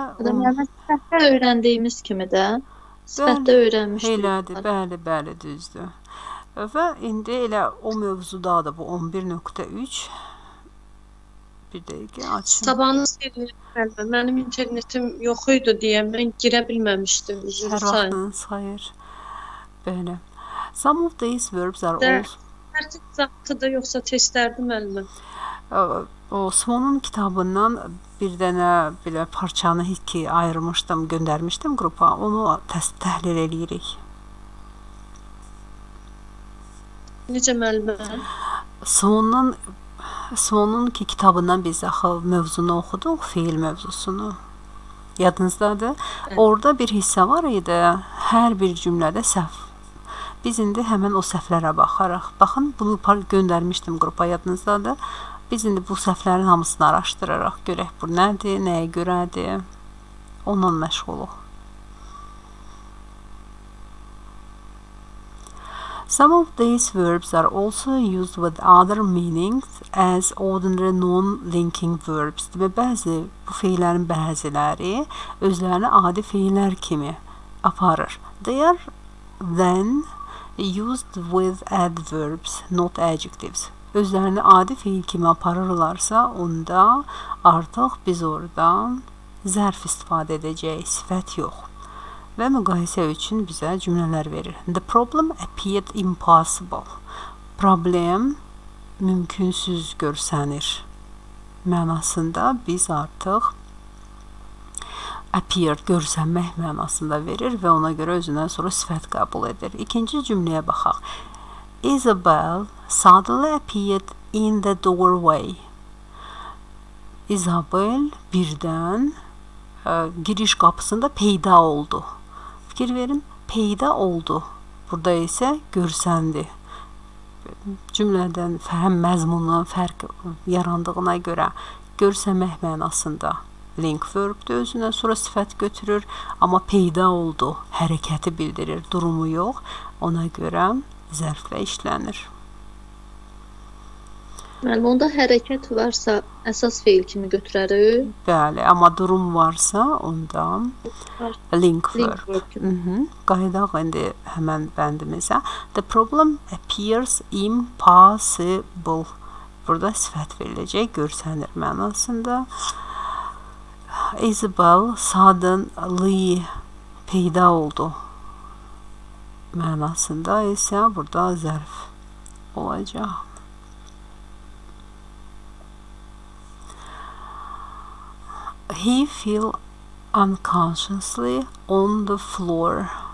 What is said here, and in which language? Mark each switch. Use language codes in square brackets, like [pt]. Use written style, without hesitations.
[az] sifətdə öyrəndiyimiz kimi də sifətdə öyrənmişdik. Elədir, bəli, bəli, düzdür. Və indi elə o mövzuda da bu 11.3 bir dəqiqə açım. Sabahınız xeyir, mənim internetim yox idi deyə mən girə bilməmişdim. Hər vaxtınız xeyir. Bəli. [en] Some of these verbs are old. [az] Tərcik zaqqıda yoxsa testlərdi müəllimə? O Swan'ın kitabından bir dənə belə parçanı ki ayırmışdım, göndərmişdim qrupa. Onu təhlil eləyirik. Necə müəllimə? Swan'ın ki kitabından biz axı mövzunu oxuduq, fiil mövzusunu. Yadınızdadır? Orada bir hissə var idi. Hər bir cümlədə səhv. Biz indi həmin o səhvlərə baxaraq. Baxın, bunu göndərmişdim qrupa. Yadınızdadır? Biz indi bu səhvlərin hamısını araşdıraraq görək bu nədir, nəyə görədir, onunla məşğuluq. [en] Some of these verbs are also used with other meanings as ordinary non-linking verbs. [az] Demə, bəzi bu feillərin bəziləri özlərini adi feillər kimi aparır. [en] They are then used with adverbs, not adjectives. [az] Özlərini adi fiil kimi aparırlarsa, onda artıq biz oradan zərf istifadə edəcəyik, sifət yox. Və müqayisə üçün bizə cümlələr verir. [en] The problem appeared impossible. [az] Problem mümkünsüz görsənir. Mənasında biz artıq appeared görsənmək mənasında verir və ona görə özündən sonra sifət qəbul edir. İkinci cümləyə baxaq. [en] Isabel suddenly appeared in the doorway. [az] Isabel birdən giriş qapısında peyda oldu. Fikir verin, peyda oldu. Burada isə görsəndi. Cümlədən fəhm məzmunu fərq yarandığına görə görsəmək mənasında link verbdir özünə, sonra sifət götürür, amma peyda oldu, hərəkəti bildirir, durumu yox. Ona görə zərflə işlənir. Məlum, onda hərəkət varsa əsas feil kimi götürərik. Bəli, amma durum varsa onda link verb. Qayıdaq indi həmən bəndimizə. [en] The problem appears impossible. [az] Burada sifət veriləcək, görsənir mənasında. Isabel [en] suddenly [az] peyda oldu. Mənasında isə burada zərf olacaq. [en] He fell unconsciously on the floor.